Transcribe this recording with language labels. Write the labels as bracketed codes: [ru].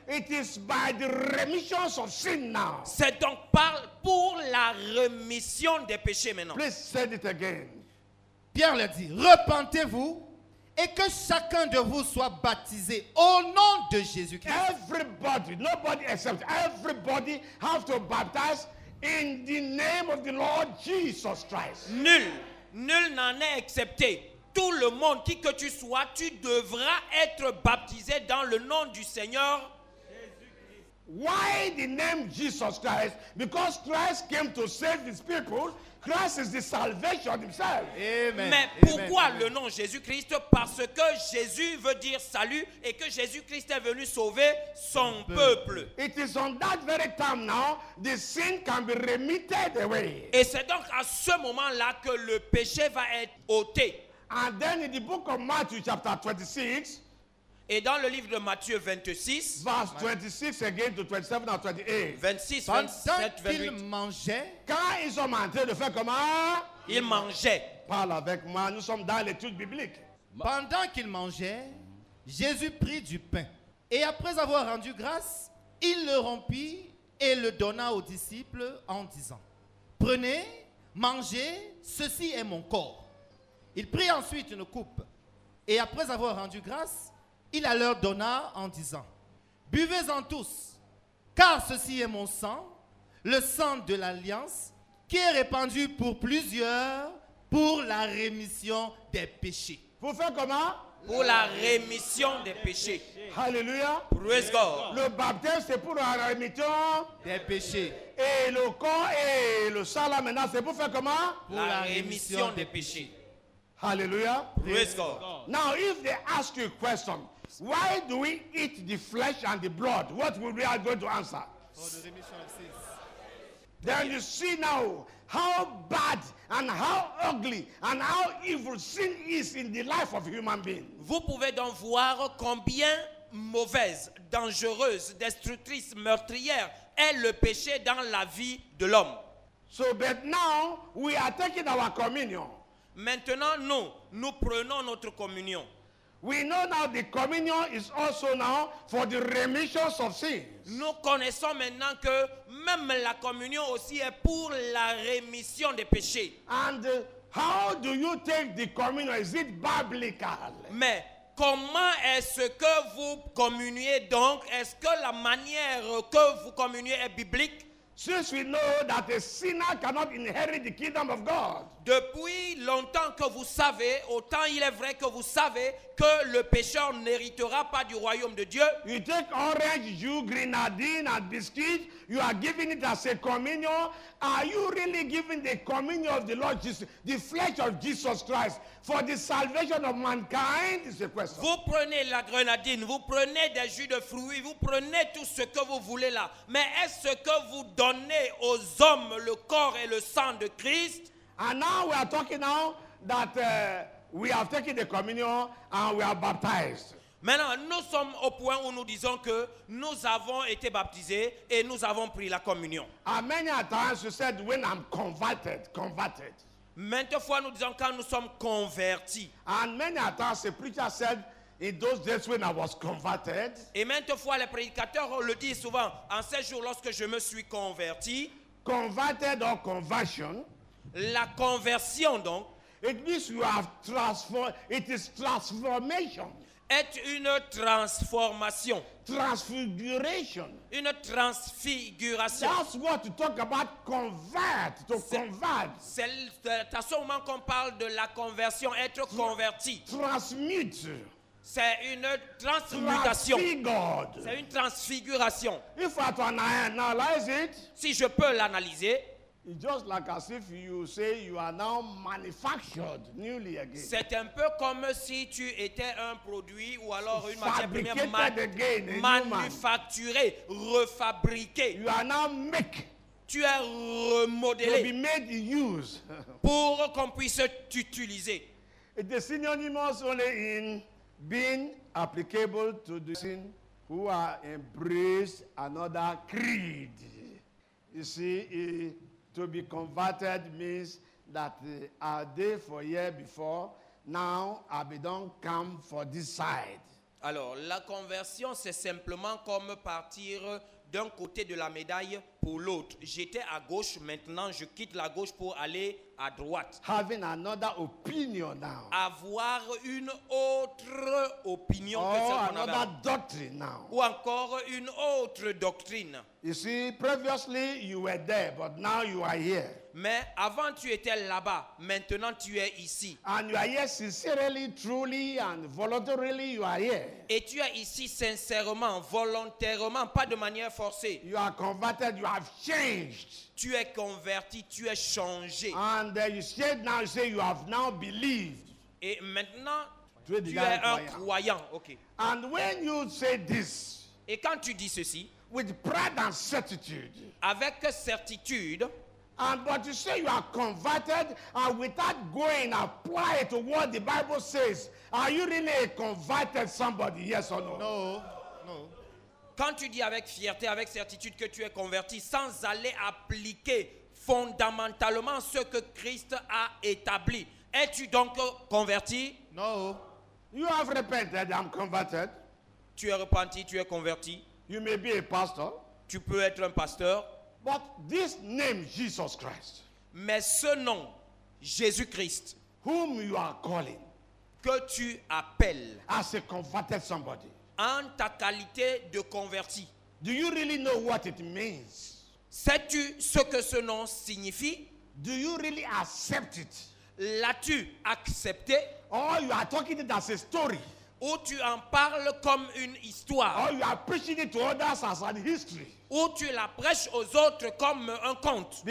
[en] it is by the remission of sin now. [fr] C'est donc pour la remission des péchés maintenant. [en] Please say it again. [fr] Pierre le dit, repentez-vous et que chacun de vous soit baptisé au nom de Jésus-Christ. [en] Everybody, nobody except everybody have to baptize in the name of the Lord Jesus Christ. [fr] Nul n'en est excepté. Tout le monde, qui que tu sois, tu devras être baptisé dans le nom du Seigneur [en] Jésus-Christ. Why the name Jesus Christ? Because Christ came to save his people. Christ is the salvation himself. Amen. [fr] Mais pourquoi Amen. Le nom Jésus-Christ? Parce que Jésus veut dire salut et que Jésus-Christ est venu sauver son peuple. It is on that very time now the sin can be remitted away. Et c'est donc à ce moment-là que le péché va être ôté. And then in the book of Matthew chapter 26, et dans le livre de Matthieu 26, verse 26 again to 27 and 28. 26, 27, 28. Quand ils mangeaient, quand ils ont mangé, de faire comment? Ils mangeaient. Parle avec moi, nous sommes dans l'étude biblique. Pendant qu'ils mangeaient, Jésus prit du pain. Et après avoir rendu grâce, il le rompit et le donna aux disciples en disant, prenez, mangez, ceci est mon corps. Il prit ensuite une coupe. Et après avoir rendu grâce, il la leur donna en disant, « Buvez-en tous, car ceci est mon sang, le sang de l'Alliance, qui est répandu pour plusieurs pour la rémission des péchés. » Vous faites comment? Pour la rémission des péchés. Alléluia. [en] Praise God. [fr] Le baptême, c'est pour la rémission des péchés. Et le corps et le sang, là, maintenant, c'est pour faire comment? Pour la rémission des péchés. [en] Hallelujah. Praise God. Now, if they ask you a question, why do we eat the flesh and the blood? What will we are going to answer? For the remission of sins. Then you see now how bad and how ugly and how evil sin is in the life of human being. [fr] Vous pouvez donc voir combien mauvaise, dangereuse, destructrice, meurtrière est le péché dans la vie de l'homme. [en] So, but now we are taking our communion. [fr] Maintenant, nous prenons notre communion. [en] We know now the communion is also now for the remission of sins. [fr] Nous connaissons maintenant que même la communion aussi est pour la rémission des péchés. [en] And how do you take the communion? Is it biblical? [fr] Mais comment est-ce que vous communiez donc? Est-ce que la manière que vous communiez est biblique? [en] Since we know that a sinner cannot inherit the kingdom of God. [fr] Depuis longtemps que vous savez, autant il est vrai que vous savez que le pécheur n'héritera pas du royaume de Dieu. [en] You take orange juice, grenadine, and biscuit. You are giving it as a communion. Are you really giving the communion of the Lord Jesus, the flesh of Jesus Christ, for the salvation of mankind? Is the question. [fr] Vous prenez la grenadine, vous prenez des jus de fruits, vous prenez tout ce que vous voulez là. Mais est-ce que vous donnez aux hommes le corps et le sang de Christ? [en] And now we are talking now that we have taken the communion and we are baptized. [fr] Maintenant, nous sommes au point où nous disons que nous avons été baptisés et nous avons pris la communion. [en] And many times you said when I'm converted. [fr] Maintes fois nous disons quand nous sommes convertis. [en] And many times the preacher said in those days when I was converted. [fr] Et maintes fois les prédicateurs le disent souvent en ces jours lorsque je me suis converti. [en] Converted or conversion. [fr] La conversion donc. [en] It means you have transformed. It is transformation. [fr] Est une transformation. [en] Transfiguration. [fr] Une transfiguration. [en] That's what you talk about. Convert. To convert. [fr] C'est à ce moment qu'on parle de la conversion. Être converti. [en] Transmute. [fr] C'est une transmutation. [en] Transfigured. [fr] C'est une transfiguration. [en] If I can analyze it. [fr] Si je peux l'analyser. [en] It's just like as if you say you are now manufactured newly again. [fr] C'est un peu comme si tu étais un produit ou alors une matière première manufacturée, refabriquée. [en] You are now make. [fr] Tu es remodelé. [en] To be made in use. [fr] Pour qu'on puisse t'utiliser. [en] It is synonymous only in being applicable to the sin who are embraced another creed. You see, to be converted means that are they for here before, now Abaddon come for this side. [fr] Alors, la conversion, c'est simplement comme partir d'un côté de la médaille pour l'autre. J'étais à gauche, maintenant je quitte la gauche pour aller à droite. [en] Having another opinion now. [fr] Avoir une autre opinion que celle qu'on avait. [en] Or another doctrine now. [fr] Ou encore une autre doctrine. [en] You see, previously you were there, but now you are here. [fr] Mais avant tu étais là-bas, maintenant tu es ici. [en] And you are here sincerely, truly, and voluntarily you are here. [fr] Et tu es ici sincèrement, volontairement, pas de manière forcée. [en] You are converted, you have changed. [fr] Tu es converti, tu es changé. [en] And you said now, you say you have now believed. [fr] Et maintenant, tu es un croyant. Okay. [en] And when you say this, [fr] et quand tu dis ceci, [en] with pride and certitude, [fr] avec certitude, [en] and but you say you are converted, and without going apply to what the Bible says, are you really a converted somebody? Yes or no? No. [fr] Quand tu dis avec fierté, avec certitude que tu es converti, sans aller appliquer fondamentalement ce que Christ a établi, es-tu donc converti? [en] No. You have repented, I'm converted. [fr] Tu es repenti, tu es converti. [en] You may be a pastor. [fr] Tu peux être un pasteur. [en] But this name, Jesus Christ. [fr] Mais ce nom, Jésus-Christ. [en] Whom you are calling. [fr] Que tu appelles. [en] As a converted somebody. [fr] En ta qualité de converti. [en] Do you really know what it means? [fr] Sais-tu ce que ce nom signifie? [en] Do you really accept it? [fr] L'as-tu accepté? [en] Or you are talking it as a story. [fr] Ou tu en parles comme une histoire. [en] Or you are preaching it to others as a history. [fr] Ou tu la prêches aux autres comme un conte.